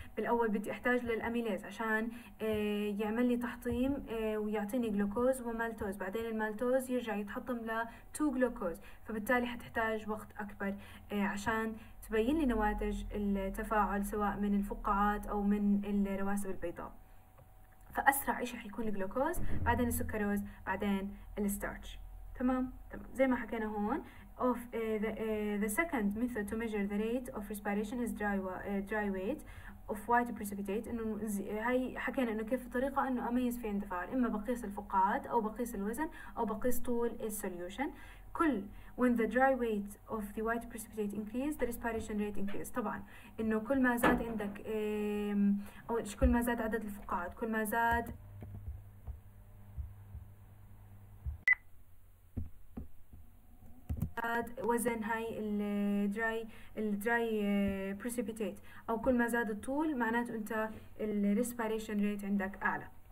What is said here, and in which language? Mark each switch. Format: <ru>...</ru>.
<ar>بالاول بدي احتاج للاميليز عشان يعمل لي تحطيم ويعطيني جلوكوز ومالتوز، بعدين المالتوز يرجع يتحطم ل 2 جلوكوز، فبالتالي حتحتاج وقت اكبر عشان تبين لي نواتج التفاعل سواء من الفقاعات او من الرواسب البيضاء. فاسرع شيء حيكون الجلوكوز، بعدين السكروز، بعدين الستارتش. تمام زي ما حكينا هون</ar> <en>of the second method to measure the rate of respiration is dry weight of white precipitate.</en> <ar>إنه هاي حكينا إنه كيف طريقة إنه أميز فيها اندفاع، إما بقيس الفقاعات أو بقيس الوزن أو بقيس طول السوليوشن.</ar> <en>كل when the dry weight of the white precipitate increase the respiration rate increase.</en> <ar>طبعا إنه كل ما زاد عندك أو إيش، كل ما زاد عدد الفقاعات، كل ما زاد وزن هاي الدراي بريسيبيتيت، او كل ما زاد الطول معناته انت الريسبيريشن ريت عندك اعلى.</ar>